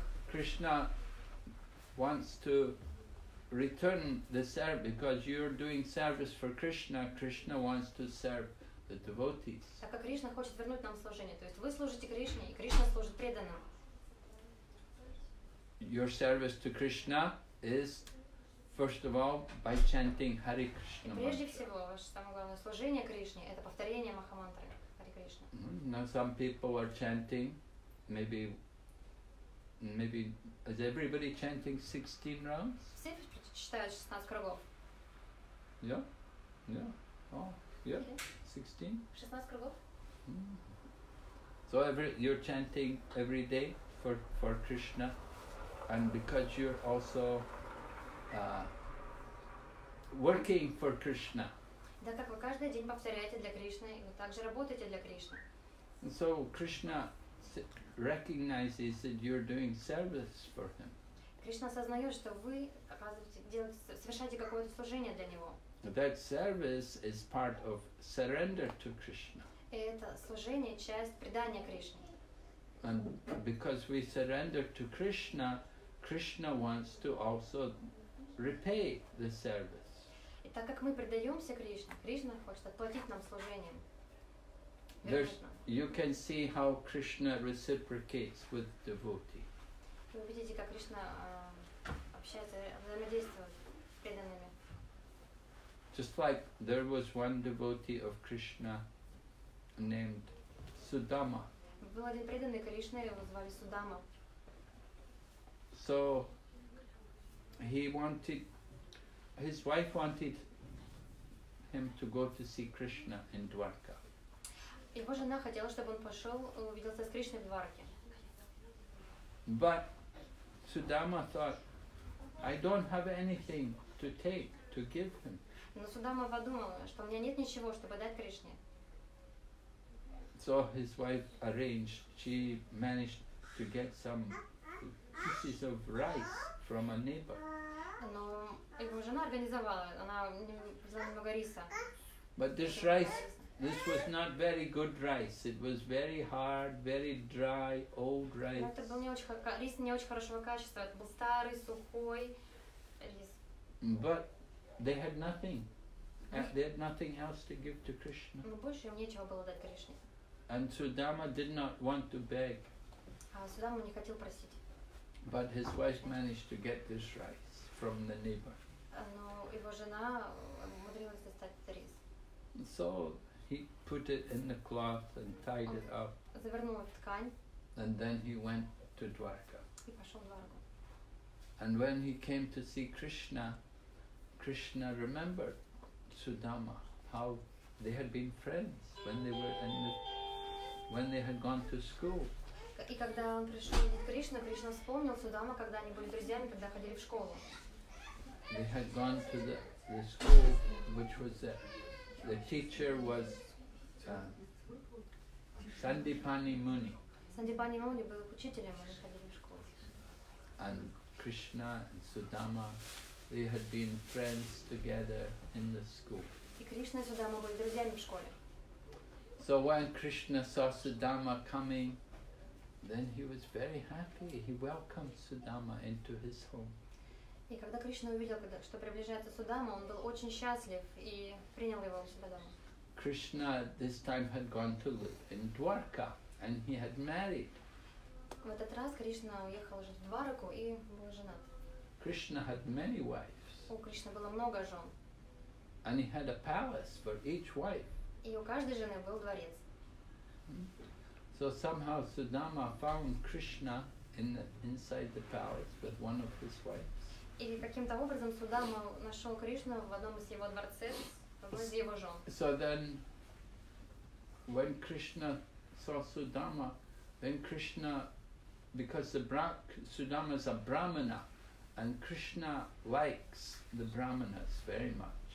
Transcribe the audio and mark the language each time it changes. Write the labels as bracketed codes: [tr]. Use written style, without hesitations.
[en] Krishna wants to return the service, because you're doing service for Krishna, Krishna wants to serve the devotees. [ru] Так как Кришна хочет вернуть нам служение, то есть вы служите Кришне, и Кришна служит преданным. [en] Your service to Krishna is, first of all, by chanting Hare Krishna. [ru] Прежде всего, ваше самое главное служение Кришне – это повторение Махамантры Hare Krishna. [en] Now some people are chanting, maybe is everybody chanting 16 rounds? [ru] Все читают 16 кругов. [en] Yeah. 16? Mm. So you're chanting every day for Krishna, and because you're also working for Krishna. [ru] Да, как вы каждый день повторяете для Кришны, вы также работаете для Кришны. [en] So Krishna recognizes that you're doing service for him. [ru] Кришна осознает, что вы совершаете какое-то служение для него. [en] That service is part of surrender to Krishna. [ru] Это служение часть предания Кришне. [en] And because we surrender to Krishna, Krishna wants to also repay the service. [ru] И так как мы предаемся Кришне, Кришна хочет отплатить нам служением. [en] You can see how Krishna reciprocates with devotee. [ru] Вы видите, как Кришна общается, взаимодействует с преданными. [en] Just like there was one devotee of Krishna named Sudama. [ru] Был один преданный Кришне, его звали Судама. [en] So he wanted, his wife wanted him to go to see Krishna in Dwarka. [ru] Его жена хотела, чтобы он пошел, увиделся с Кришной в Дварке. [en] But Sudama thought, I don't have anything to take, to give him. [ru] Но Судама подумала, что у меня нет ничего, чтобы дать Кришне. [en] So his wife arranged, she managed to get some pieces of rice from a neighbor. [ru] Но его жена организовала, она взяла немного риса. [en] But this rice, this was not very good rice. It was very hard, very dry, old rice. [ru] Это был не очень, рис не очень хорошего качества. Это был старый, сухой рис. [en] But they had nothing. They had nothing else to give to Krishna. [ru] Но больше им нечего было дать Кришне. [en] And Sudama did not want to beg. [ru] Судама не хотел просить. [en] But his wife managed to get this rice from the neighbor. [ru] Но его жена умудрилась достать рис. [en] So he put it in the cloth and tied it up. [ru] Завернул в ткань. [en] And then he went to Dwarka. [ru] И пошел в Дварку. [en] And when he came to see Krishna, Krishna remembered Sudama, how they had been friends when they were in the, when they had gone to school. [ru] И когда он пришел видеть Кришну, Кришна вспомнил Судама, когда они были друзьями, когда ходили в школу. [en] They had gone to the school, which was the teacher was Sandipani Muni. [ru] Сандипани Муни был учителем, они ходили в школу. [en] And Krishna and Sudama, they had been friends together in the school. [ru] И Кришна и Судама были друзьями в школе. [en] So when Krishna saw Sudama coming, then he was very happy. He welcomed Sudama into his home. [ru] И когда Кришна увидел, что приближается Судама, он был очень счастлив и принял его в себя дома. [en] Krishna this time had gone to live in Dwarka, and he had married. [ru] В этот раз Кришна уехал жить в Двараку и был женат. [en] Krishna had many wives. [ru] У Кришны было много жен. [en] And he had a palace for each wife. [ru] И у каждой жены был дворец. [en] So somehow Sudama found Krishna inside the palace with one of his wives. [ru] И каким-то образом Судама нашел Кришну в одном из его дворцов, в одной из его жен. [en] So then, when Krishna saw Sudama, then Krishna, because Sudama is a brahmana, and Krishna likes the brahmanas very much.